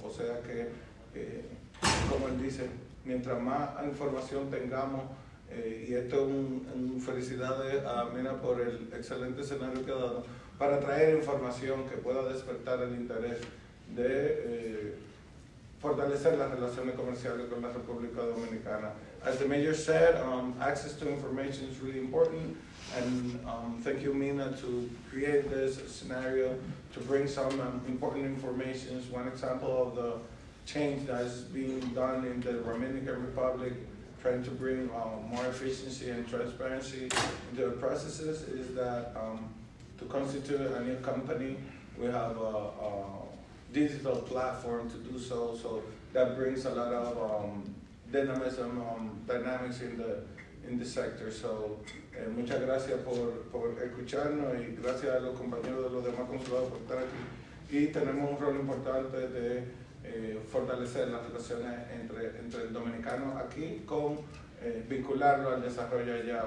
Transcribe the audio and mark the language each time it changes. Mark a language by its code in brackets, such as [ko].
[es] O sea que como él dice, mientras más información tengamos, y esto es un felicidades a Mena por el excelente escenario que ha dado, para traer información que pueda despertar el interés de fortalecer las relaciones comerciales con la República Dominicana. [en] As the mayor said, access to information is really important, and thank you, Mena, to create this scenario to bring some important information. It's one example of the change that's being done in the Dominican Republic, trying to bring more efficiency and transparency into the processes, is that to constitute a new company, we have a digital platform to do so. So that brings a lot of dynamics in the in the sector. [es] So, muchas gracias por escucharnos y gracias a los compañeros de los demás consulados por estar aquí. Y tenemos un rol importante de fortalecer las relaciones entre el dominicano aquí con vincularlo al desarrollo allá.